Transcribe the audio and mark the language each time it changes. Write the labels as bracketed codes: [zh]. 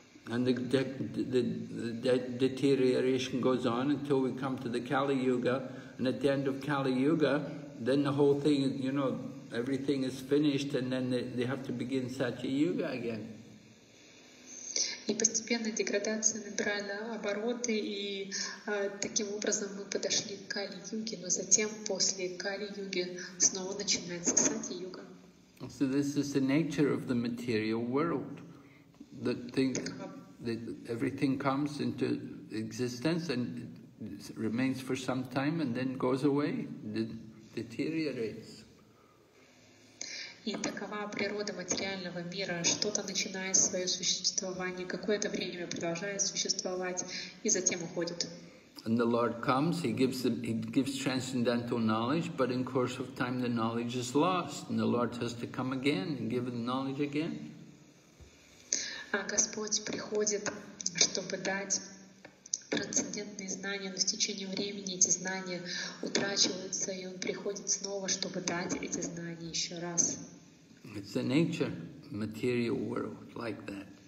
[en] And the deterioration goes on until we come to the Kali Yuga, and at the end of Kali Yuga, then the whole thing, you know, everything is finished, and then they have to begin Satya Yuga again. [ru] И постепенно деградация набирала обороты, и таким образом мы подошли к Кали-юге, но затем после Кали-юги снова начинается Сати-юга. [en] So this is the nature of the material world. That things, that everything comes into existence and remains for some time and then goes away, deteriorates. [ru] И такова природа материального мира. Что-то начинает свое существование, какое-то время продолжает существовать, и затем уходит. [en] And the Lord comes, he gives transcendental knowledge, but in course of time the knowledge is lost, and the Lord has to come again and give the knowledge again. [ru] А Господь приходит, чтобы дать трансцендентные знания, но с течением времени эти знания утрачиваются, и Он приходит снова, чтобы дать эти знания еще раз. [en] It's the nature, material world, like that.